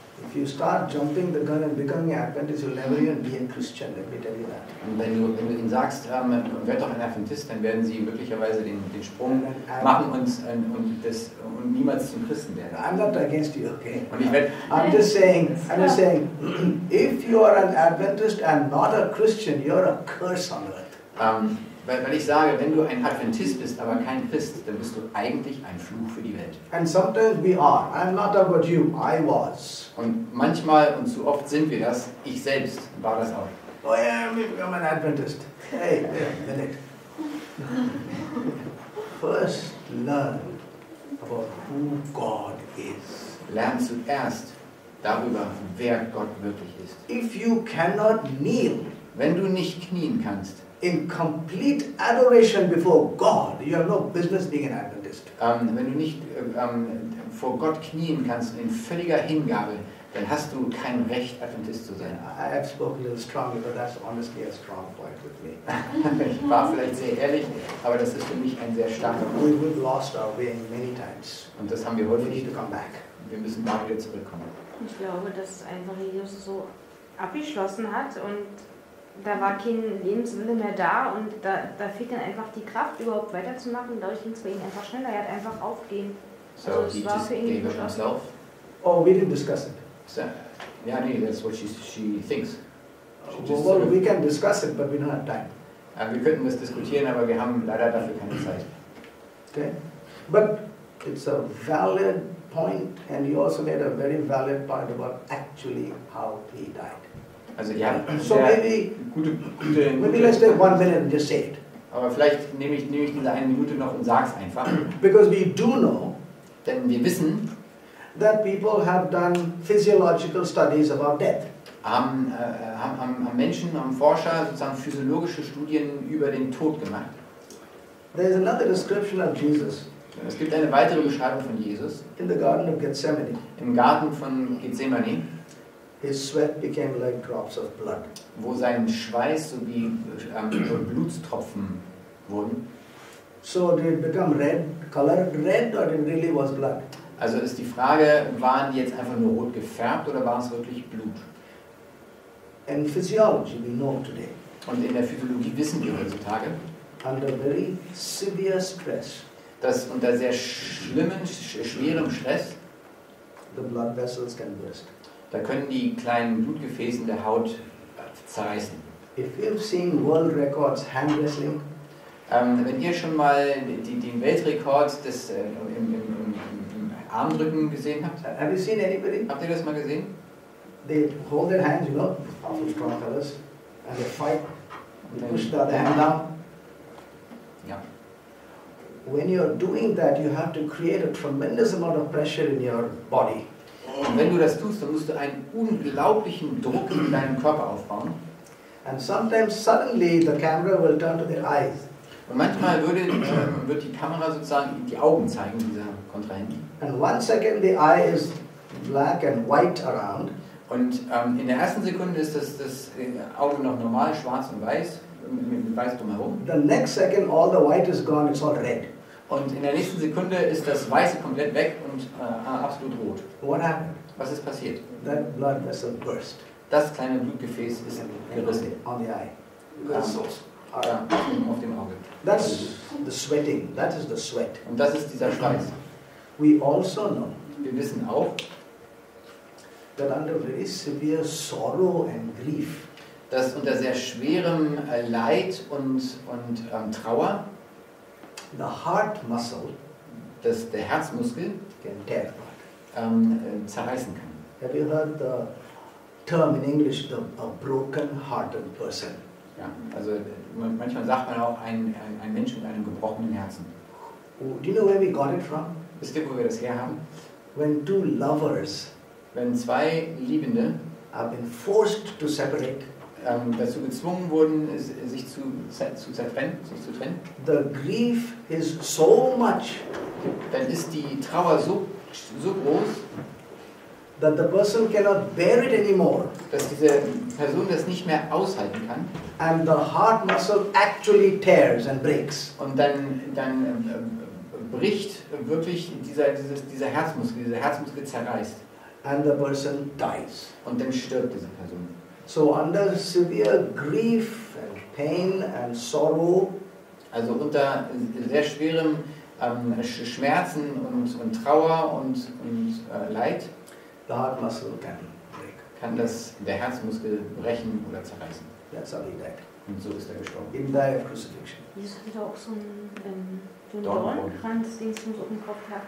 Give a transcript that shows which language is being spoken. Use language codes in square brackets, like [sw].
[en] If you start jumping the gun and becoming an Adventist, you'll never even be a Christian. Let me tell you that. [de] Und wenn du ihnen sagst, werd doch ein Adventist, dann werden sie möglicherweise den Sprung machen und niemals zum Christen werden. [en] I'm not against you, okay? [de] Und ich werde. [en] I'm just saying, if you are an Adventist and not a Christian, you're a curse on earth. [de] Weil ich sage, wenn du ein Adventist bist, aber kein Christ, dann bist du eigentlich ein Fluch für die Welt. [en] And sometimes we are. I'm not talking about you. I was. [de] Und manchmal und zu oft sind wir das. Ich selbst war das auch. [en] Oh yeah, I'm an Adventist. Hey, wait a minute. First learn about who God is. [de] Lern zuerst darüber, wer Gott wirklich ist. [en] If you cannot kneel. [de] Wenn du nicht knien kannst. [en] In complete adoration before God, you have no business being an Adventist. [de] Wenn du nicht vor Gott knien kannst in völliger Hingabe, dann hast du kein Recht, Adventist zu sein. [en] I have spoken a little strongly, but that's honestly a strong point with me. [de] Ich war vielleicht sehr ehrlich, aber das ist für mich ein sehr starker Punkt. [en] We've lost our way many times. [de] Und das haben wir heute. [en] We need to come back. [de] Wir müssen da wieder zurückkommen. Ich glaube, dass einfach Jesus so abgeschlossen hat und da war kein Lebenswille mehr da und da fehlt dann einfach die Kraft, überhaupt weiterzumachen. Dadurch ging es bei ihm einfach schneller. Er hat einfach aufgehen. [en] So, [de] also, [en] he [de] war [en] just [de] für ihn [en] gave up himself? Oh, we didn't discuss it. So, yeah, nee, that's what she thinks. Well, we can discuss it, but we don't have time. [de] Wir könnten das diskutieren, aber wir haben leider dafür keine Zeit. [en] Okay. But it's a valid point and you also made a very valid point about actually how he died. [de] Also ja, [en] so maybe, [de] gute, [en] let's take 1 minute and just say it. [de] Aber vielleicht nehme ich diese eine Minute noch und sag's einfach. [en] Because we do know, [de] denn wir wissen, [en] that people have done physiological studies about death. [de] Haben Menschen, haben Forscher sozusagen physiologische Studien über den Tod gemacht. [en] There's another description of Jesus. [de] Es gibt eine weitere Beschreibung von Jesus. [en] In the Garden of Gethsemane. [de] Im Garten von Gethsemane. [en] His sweat became like drops of blood. [de] Wo sein Schweiß so wie Blutstropfen wurden. [en] So did it become red, colored red, or it really was blood? [de] Also ist die Frage, waren die jetzt einfach nur rot gefärbt oder war es wirklich Blut? [en] In physiology we know today. [de] Und in der Physiologie wissen wir heutzutage. [en] Under very severe stress. [de] Dass unter sehr schlimmen, schwerem Stress. [en] The blood vessels can burst. [de] Da können die kleinen Blutgefäße der Haut zerreißen. [en] If you've seen world records hand wrestling, [de] wenn ihr schon mal den Weltrekord des im Armdrücken gesehen habt, [en] have you seen anybody? [de] Habt ihr das mal gesehen? [en] They hold their hands, you know, awful strong fellows, and they fight, and they push the hand down. [de] Ja. [en] When you're doing that, you have to create a tremendous amount of pressure in your body. [de] Und wenn du das tust, dann musst du einen unglaublichen Druck in deinem Körper aufbauen. [en] And sometimes suddenly the camera will turn to their eyes. [de] Und manchmal wird die Kamera sozusagen die Augen zeigen dieser Kontrahenten. [en] And one second the eye is black and white around. [de] Und in der ersten Sekunde ist das Auge noch normal schwarz und weiß mit weiß drumherum. [en] The next second all the white is gone, it's all red. [de] Und in der nächsten Sekunde ist das Weiße komplett weg und absolut rot. [en] What happened? [de] Was ist passiert? [en] That blood vessel burst. [de] Das kleine Blutgefäß ist gerissen. [en] On the eye. [de] Auf dem Auge. [en] That's the sweating. That is the sweat. [de] Und das ist dieser Schweiß. [en] We also know. [de] Wir wissen auch, [en] that under very severe sorrow and grief. [de] dass unter sehr schwerem Leid und Trauer [en] the heart muscle, [de] dass der Herzmuskel [en] can tear apart. [de] Zerreißen kann. [en] Have you heard the term in English, the a broken-hearted person? [de] Ja, also manchmal sagt man auch ein Mensch mit einem gebrochenen Herzen. [en] Do you know where we got it from? [de] Wisst ihr, wo wir das her haben? [en] When two lovers, [de] wenn zwei Liebende, [en] have been forced to separate, [de] dazu gezwungen wurden, sich zu zertrennen, sich zu trennen. [en] The grief is so much. [de] Dann ist die Trauer so groß, [en] that the person cannot bear it anymore. [de] Dass diese Person das nicht mehr aushalten kann. [en] And the heart muscle actually tears and breaks. [de] Und dann bricht wirklich dieser Herzmuskel, dieser Herzmuskel zerreißt. [en] And the person dies. [de] Und dann stirbt diese Person. [en] So under severe grief and pain and sorrow. [de] Also unter sehr schweren Schmerzen und Trauer und Leid. [en] The heart muscle can break. [de] Kann das der Herzmuskel brechen oder zerreißen? [en] That's how he died. [de] Und so ist er gestorben. [en] In the day of crucifixion. [de] Jesus hatte auch so einen Dornenkranz, den es uns auf dem Kopf hat.